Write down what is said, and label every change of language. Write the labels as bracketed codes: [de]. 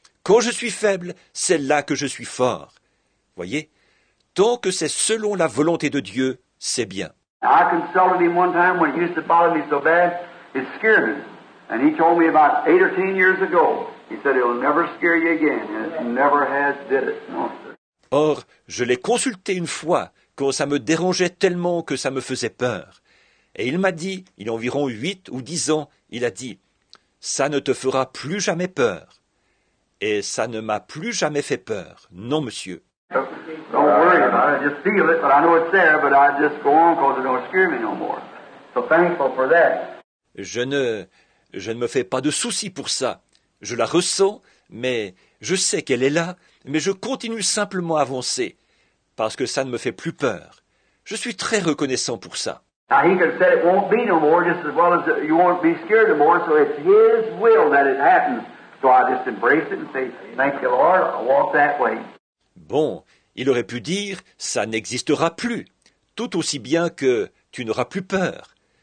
[fr] Quand je suis faible, c'est là que je suis fort. » Voyez, tant que c'est selon la volonté de Dieu, c'est bien. [en] I consulted him one time when he used to bother me so bad. It scared him. And he told me about 8 or 10 years ago. He said, it'll never scare you again. And it never has did it. No, sir. [fr] Or, je l'ai consulté une fois, quand ça me dérangeait tellement que ça me faisait peur. Et il m'a dit, il y a environ 8 ou 10 ans, il a dit, ça ne te fera plus jamais peur. Et ça ne m'a plus jamais fait peur. Non, monsieur. [en] Don't worry about it. I just feel it, but I know it's there, but I just go on because it don't scare me no more. So thankful for that. [fr] Je ne me fais pas de soucis pour ça. Je la ressens, mais je sais qu'elle est là, mais je continue simplement à avancer, parce que ça ne me fait plus peur. Je suis très reconnaissant pour ça. [en] Now he could say it won't be no more, just as well as you won't be scared no more, so it's his will that it happens. So I just embrace it and say, thank you, Lord, I'll walk that way. [fr] Bon, il aurait pu dire, ça n'existera plus, tout aussi bien que tu n'auras plus peur.